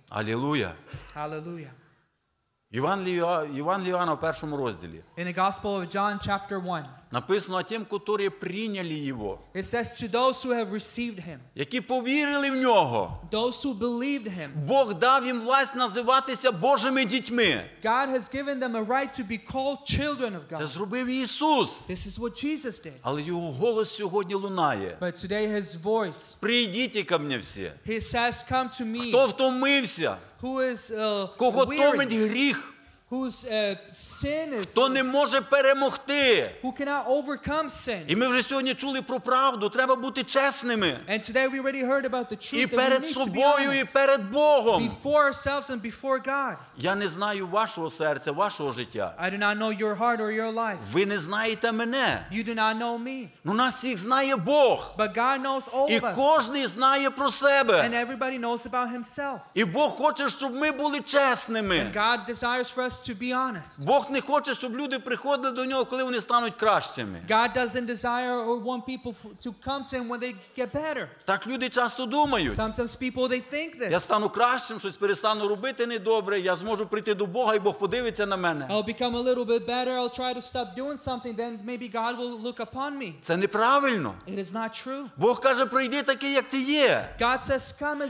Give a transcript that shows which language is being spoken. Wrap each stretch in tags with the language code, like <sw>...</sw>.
<uk>Алілуя.</uk> <en>Hallelujah.</en> <uk>Євангеліє в першому розділі.</uk> <en>In the Gospel of John, chapter 1.</en> <uk>Написано, а тим, котрі прийняли Його.</uk> <en>It says to those who have received Him.</en> <uk>Які повірили в Нього.</uk> <en>Those who believed Him.</en> <uk>Бог дав їм власть називатися Божими дітьми.</uk> <en>God has given them a right to be called children of God.</en> <uk>Це зробив Ісус.</uk> <en>This is what Jesus did.</en> <uk>Але Його голос сьогодні лунає.</uk> <en>But today His voice.</en> <uk>Прийдіть ко мені всі.</uk> <en>He says, come to me.</en> <uk>Хто втомився?</uk> <en>Who is weary?</en> <uk>Кого томить гріх?</uk> <en>Whose sin is?</en> <uk>Хто не може перемогти?</uk> <en>Who cannot overcome sin?</en> <uk>І ми вже сьогодні чули про правду. Треба бути чесними.</uk> <en>And today we already heard about the truth.</en> <uk>І перед собою, і перед Богом.</uk> <en>Before ourselves and before God.</en> <uk>Я не знаю вашого серця, вашого життя.</uk> <en>I do not know your heart or your life.</en> <uk>Ви не знаєте мене.</uk> <en>You do not know me.</en> <uk>Ну нас всіх знає Бог.</uk> <en>But God knows all of us.</en> <uk>І кожен знає про себе.</uk> <en>And everybody knows about himself.</en> <uk>І Бог хоче, щоб ми були чесними.</uk> <en>And God desires for us to be honest.</en> <uk>Бог не хоче, щоб люди приходили до нього, коли вони стануть кращими.</uk> <en>God doesn't desire or want people to come to him when they get better.</en> <uk>Так люди часто думають.</uk> <en>Sometimes people, they think this.</en> <uk>Я стану кращим, щось перестану робити недобре, я зможу прийти до Бога і Бог подивиться на мене.</uk> <en>I'll become a little bit better, I'll try to stop doing something, then maybe God will look upon me.</en> <uk>Це неправильно.</uk> <en>It is not true.</en> <uk>Бог каже: "Прийди такий, як ти є".</uk> <en>God says, "Come as you are".</en>